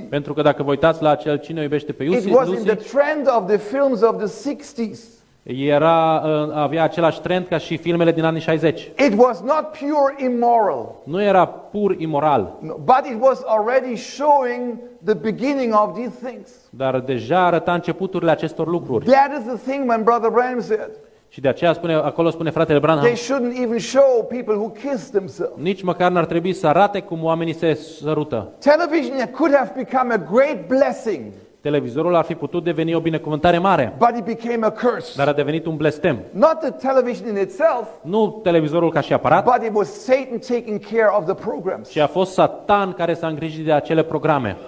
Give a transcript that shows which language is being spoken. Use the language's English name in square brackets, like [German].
[Romanian] Pentru că dacă vă uitați la acel cine iubește pe Lucy. [English] It was in the trend of the films of the 60s. [Romanian] Era, avea același trend ca și filmele din anii 60. [English] It was not pure immoral. [Romanian] Nu era pur imoral. [English] No, but it was already showing the beginning of these things. [Romanian] Dar deja arăta începuturile acestor lucruri. [English] That is the thing when Brother Branham said. [Romanian] Și de aceea spune, acolo spune fratele Branham. [English] They shouldn't even show people who kiss themselves. [Romanian] Nici măcar n-ar trebui să arate cum oamenii se sărută. [English] Television could have become a great blessing. [Romanian] Televizorul ar fi putut deveni o binecuvântare mare. [English] But it became a curse. [Romanian] Dar a devenit un blestem. [English] Not the television in itself. [Romanian] Nu televizorul ca și aparat. [English] But it was Satan taking care of the programs. [Romanian] Și a fost Satan care s-a îngrijit de acele programe.